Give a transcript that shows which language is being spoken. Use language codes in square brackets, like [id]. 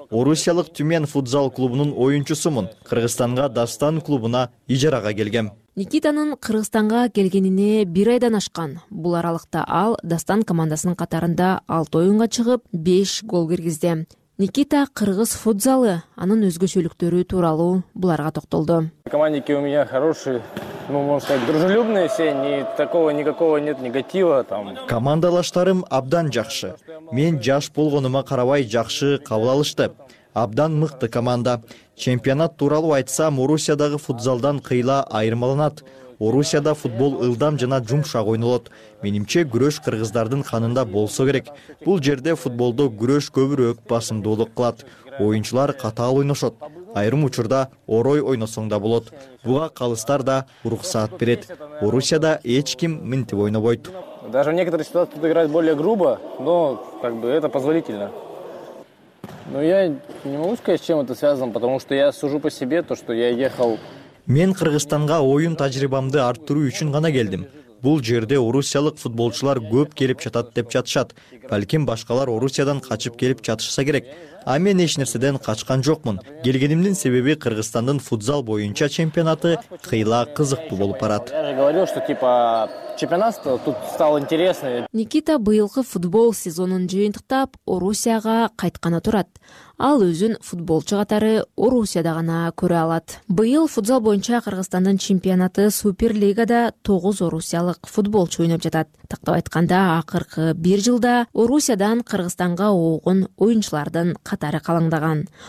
[ky] Орусиялык Түмен футзал клубунун оюнчусумун. Кыргызстанга Дастан клубуна ижарага келгем. Никитанын Кыргызстанга келгенине бир айдан ашкан. Бул аралыкта ал Дастан командасынын катарында 6 оюнга чыгып 5 гол киргизди. Никита кыргыз футзалы, анын өзгөчөлүктөрү тууралуу буларга токтолду. [ru] Командики у меня хорошие. Ну, можно сказать, дружелюбные все, ни такого никакого нет негатива там. [ky] Командалаштарым абдан жакшы. Мен жаш болгонума карабай жакшы кабыл алышты. Абдан мыкты команда. Чемпионат тууралуу айтсам, Орусиядагы футзалдан кыйла айырмаланат. Орусияда футбол ылдам жана жумшак ойнолот. Менимче, күрөш кыргыздардын канында болсо керек. Бул жерде футболдо күрөш көбүрөөк басымдуулук кылат. Оюнчулар катаал ойношот. Айрым учурда орой ойносоң да болот. Буга калыстар да уруксаат берет. Орусияда эч ким минтип ойнобойт. [ru] Даже в некоторых ситуациях играть более грубо, но как бы это позволительно. Ну я не могу сказать, с чем это связано, потому что я сужу по себе то, что я ехал. [ky] Мен Кыргызстанга оюн тажрыйбамды арттыруу үчүн гана келдим. Бул жерде орусиялык футболчулар көп келип жатат деп жатышат. Балким башкалар Орусиядан качып келип жатышса керек. А мен эч нерседен качкан жокмун. Келгенимдин себеби Кыргызстандын футзал боюнча чемпионаты кыйла кызыктуу болуп барат. [ru] Я же говорил, что типа чемпионат тут стал интересный. [ky] Никита быйылкы футбол сезонун жыйынтыктап Орусияга кайтканы турат. Ал өзүн футболчу катары Орусияда гана көрө алат. Быйыл футзал боюнча Кыргызстандын чемпионаты Суперлигада 9 орусиялык футболчу ойноп жатат. Тактап айтканда, акыркы 1 жылда Орусиядан Кыргызстанга оогон оюнчулардын катары калыңдаган.